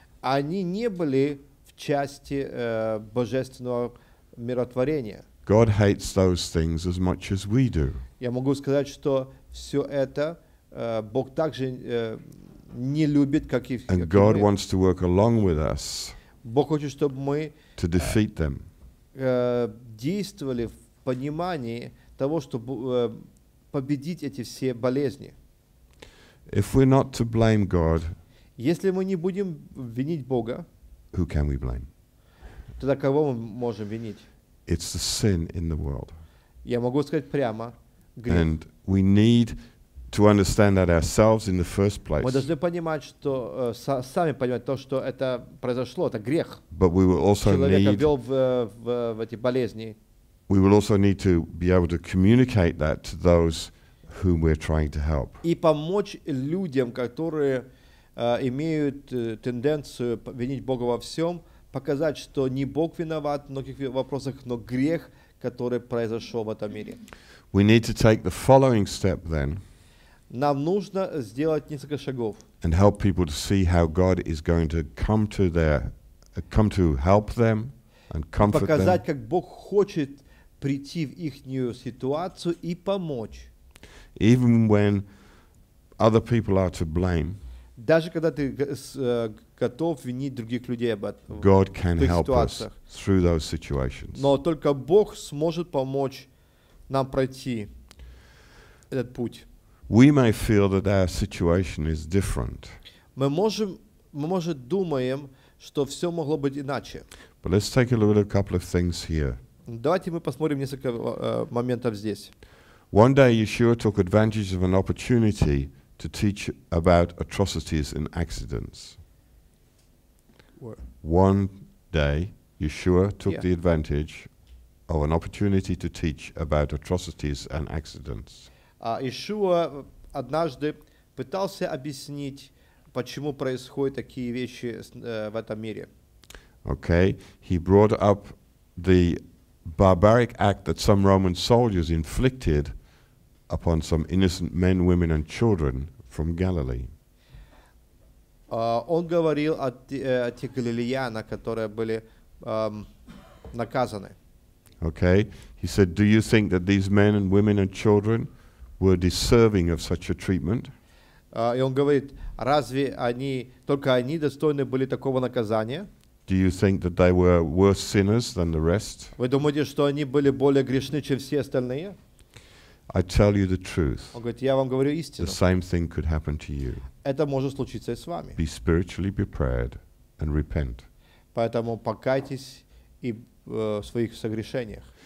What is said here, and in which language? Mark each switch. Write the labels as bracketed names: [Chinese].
[Russian] Они не были в части божественного миротворения. [English] God hates those things as much as we do. [Russian] Я могу сказать, что все это Бог также не любит, как и. [English] And God wants to work along with us. [Russian] Бог хочет, чтобы мы [English] to defeat them. [Russian] действовали в понимании того, чтобы победить эти все болезни. [English] If we're not to blame God, [Russian] если мы не будем винить Бога, [English] who can we blame? [Russian] Тогда кого мы можем винить? [English] It's the sin in the world. [Russian] Я могу сказать прямо, грех. [English] And we need to understand that ourselves in the first place. [Russian] Мы должны понимать, что сами понимать то, что это произошло, это грех. [English] But we will also need [Russian] в эти болезни. [English] We will also need to be able to communicate that to those whom we're trying to help. [Russian] И помочь людям, которые имеют тенденцию винить Бога во всем, показать, что не Бог виноват в многих вопросах, но грех, который произошел в этом мире. [English] We need to take the following step then. [Russian] Нам нужно сделать несколько шагов. [English] And help people to see how God is going to come to their, come to help them and comfort them. [Russian] Показать, как Бог хочет прийти в их ситуацию и помочь. [English] Even when other people are to blame. [Russian] Даже когда ты готов винить других людей об этом. [English] God can help us through those situations. [Russian] Но только Бог сможет помочь нам пройти этот путь. [English] We may feel that our situation is different. [Russian] Мы думаем, что все могло быть иначе. [English] But let's take a look at a couple of things here. [Russian] Давайте мы посмотрим несколько моментов здесь. [English] One day Yeshua took advantage of an opportunity to teach about atrocities and accidents. One day Yeshua took the advantage of an opportunity to teach about atrocities and accidents. [Russian] Ишуа однажды пытался объяснить, почему происходят такие вещи в этом мире. [English] Okay, he brought up the barbaric act that some Roman soldiers inflicted upon some innocent men, women, and children from Galilee. [Russian] Он говорил о тех галилеянах, которые были наказаны. [English] Okay, he said, "Do you think that these men and women and children were deserving of such a treatment?" [Russian] И он говорит, разве они, только они достойны были такого наказания? [English] Do you think that they were worse sinners than the rest? [Russian] Вы думаете, что они были более грешны, чем все остальные? [English] I tell you the truth. [Russian] Он говорит, я вам говорю истину. [English] The same thing could happen to you. [Russian] Это может случиться и с вами. [English] Be spiritually prepared and repent. [Russian] Поэтому покайтесь и в своих согрешениях.